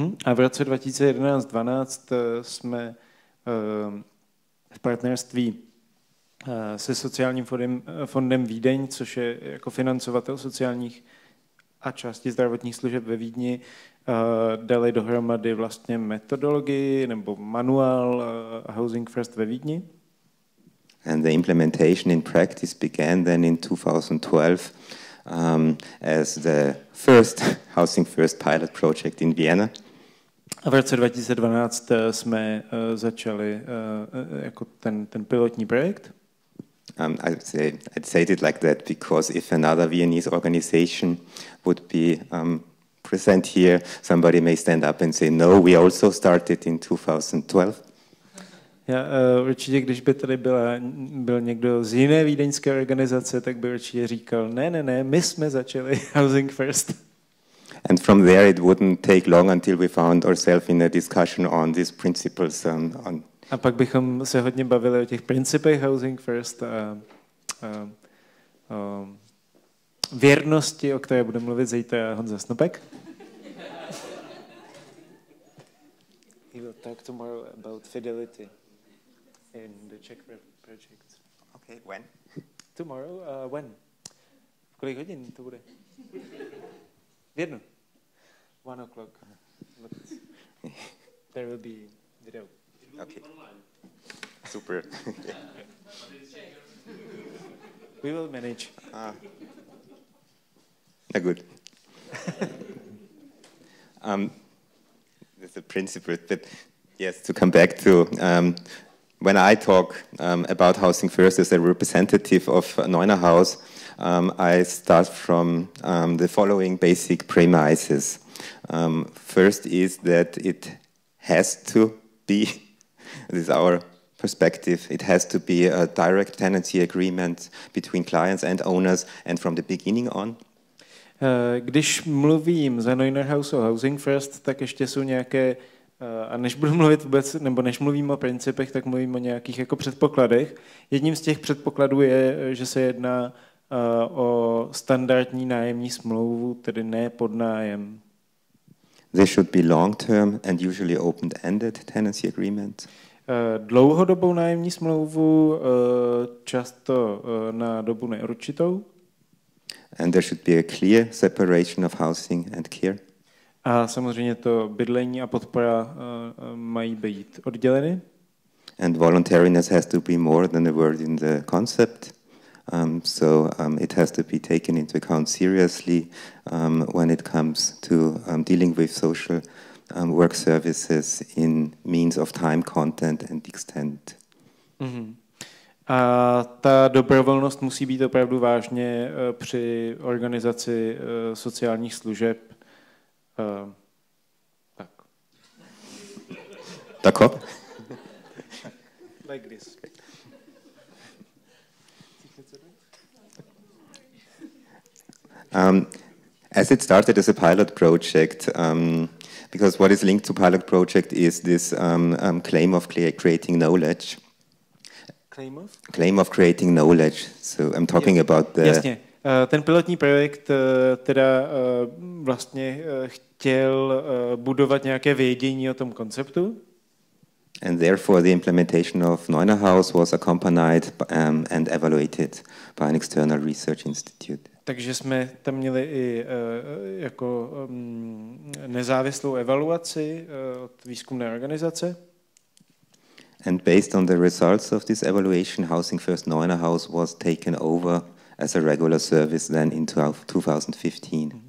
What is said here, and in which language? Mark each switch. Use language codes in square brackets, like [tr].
[cs] A v roce 2011-12 jsme v partnerství se sociálním fondem Vídeň, což je jako financovatel sociálních a části zdravotních služeb ve Vídni, dali dohromady vlastně metodologii nebo manuál Housing First ve Vídni. [en] And the implementation in practice began then in 2012 as the first Housing First pilot project in Vienna. [cs] A v roce 2012 jsme začali jako ten pilotní projekt. [en] I'd say it like that because if another Viennese organization would be present here, somebody may stand up and say, "No, we also started in 2012." [cs] Já určitě, když by tady byl někdo z jiné vídeňské organizace, tak by určitě říkal, ne, my jsme začali Housing First. [en] And from there, it wouldn't take long until we found ourselves in a discussion on these principles on. [cs] A pak bychom se hodně bavili o těch principech Housing First a věrnosti, o které bude mluvit zítra Honza Snopek. [en] He will talk tomorrow about fidelity in the Czech project. Okay, when? Tomorrow, when? [cs] V kolik hodin to bude? V jednu. [en] 1 o'clock. But there will be video. Okay. Super. We will manage. Good. It's a principle that, yes, to come back to, when I talk about Housing First as a representative of Neuenhaus, I start from the following basic premises. First is that it has to be, this is our perspective, it has to be a direct tenancy agreement between clients and owners and from the beginning on. [cs] Když mluvím za Neuner House o Housing First, tak ještě jsou nějaké, a než budu mluvit vůbec, nebo než mluvím o principech, tak mluvím o nějakých jako předpokladech. Jedním z těch předpokladů je, že se jedná o standardní nájemní smlouvu, tedy ne podnájem. [en] They should be long-term and usually open-ended tenancy agreement. [cs] Dlouhodobou nájemní smlouvu, často na dobu neurčitou. [en] And there should be a clear separation of housing and care. [cs] A samozřejmě to bydlení a podpora mají být odděleny. [en] And voluntariness has to be more than a word in the concept. It has to be taken into account seriously when it comes to dealing with social work services in means of time, content and extent. Mm-hmm. [cs] A ta dobrovolnost musí být opravdu vážně při organizaci sociálních služeb. Tak. Tako? [en] Like this. As it started as a pilot project, because what is linked to pilot project is this claim of creating knowledge. Claim of? Claim of creating knowledge. So I'm talking about the... [cs] Jasně. Ten pilotní projekt teda vlastně chtěl budovat nějaké vědění o tom konceptu. [en] And therefore the implementation of Neuner House was accompanied and evaluated by an external research institute. [cs] Takže jsme tam měli i jako nezávislou evaluaci od výzkumné organizace. [en] And based on the results of this evaluation, Housing First Neuner House was taken over as a regular service then in 2015.